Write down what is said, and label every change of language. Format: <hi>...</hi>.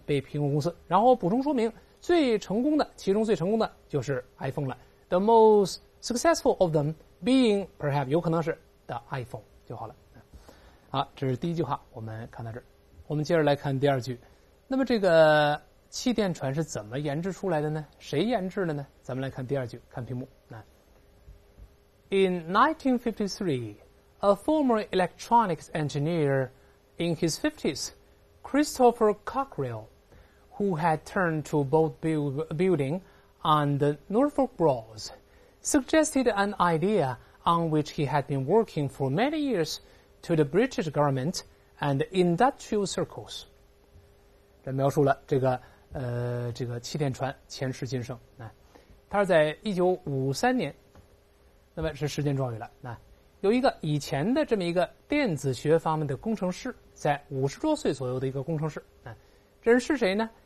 <zh>被苹果公司。然后补充说明，最成功的，其中最成功的就是 iPhone 了，</zh> <en>the most successful of them being perhaps</en> <zh>有可能是 the iPhone 就好了。好，这是第一句话，我们看到这儿，我们接着来看第二句。那么这个气垫船是怎么研制出来的呢？谁研制的呢？咱们来看第二句，看屏幕啊。</zh> <en>In 1953, a former electronics engineer in his 50s, Christopher Cockrell, who had turned to boat building on the Norfolk Broads, suggested an idea on which he had been working for many years to the British government and industrial circles.</en> <zh>这描述了这个气垫船前世今生。他是在1953年，那么是时间状语了。那有一个以前的这么一个电子学方面的工程师，在50多岁左右的一个工程师啊，这人是谁呢？</zh>